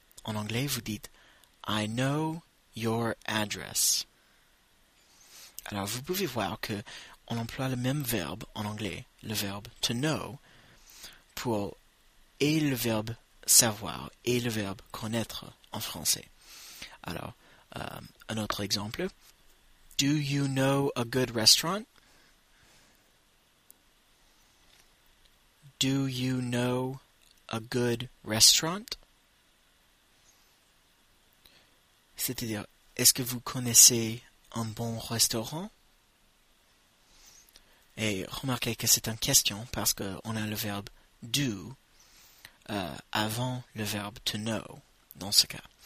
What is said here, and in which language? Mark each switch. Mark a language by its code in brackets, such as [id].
[fr] En anglais, vous dites « [en] I know your address ». [fr] Alors, vous pouvez voir que on emploie le même verbe en anglais, le verbe « to know » pour et le verbe « savoir » et le verbe « connaître » en français. Alors, un autre exemple. [en] Do you know a good restaurant? Do you know a good restaurant? [fr] C'est-à-dire, est-ce que vous connaissez un bon restaurant? Et remarquez que c'est une question parce qu'on a le verbe do avant le verbe to know dans ce cas.